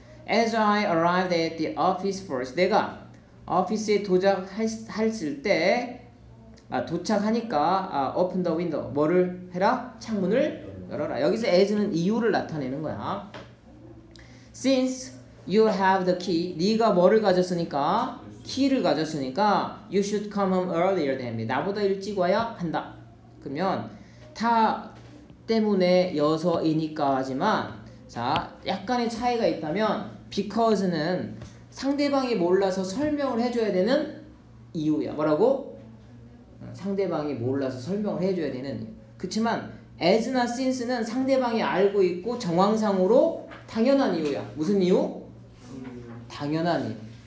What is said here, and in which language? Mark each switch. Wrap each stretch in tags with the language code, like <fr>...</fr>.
<en>As I arrived at the office first.</en> <ko>내가 오피스에 도착했을 때 아, 도착하니까 아,</ko> <en>open the window.</en> <ko>뭐를 해라? 창문을 열어라. 여기서 as는 이유를 나타내는 거야.</ko> <en>Since you have the key.</en> <ko>네가 뭐를 가졌으니까? 키를 가졌으니까</ko> <en>you should come home earlier than me.</en> <ko>나보다 일찍 와야 한다. 그러면 다 때문에 여서이니까 하지만 자 약간의 차이가 있다면 because는 상대방이 몰라서 설명을 해줘야 되는 이유야. 뭐라고? 상대방이 몰라서 설명을 해줘야 되는 이유. 그렇지만 as나 since는 상대방이 알고 있고 정황상으로 당연한 이유야. 무슨 이유? 당연한 이유.</ko>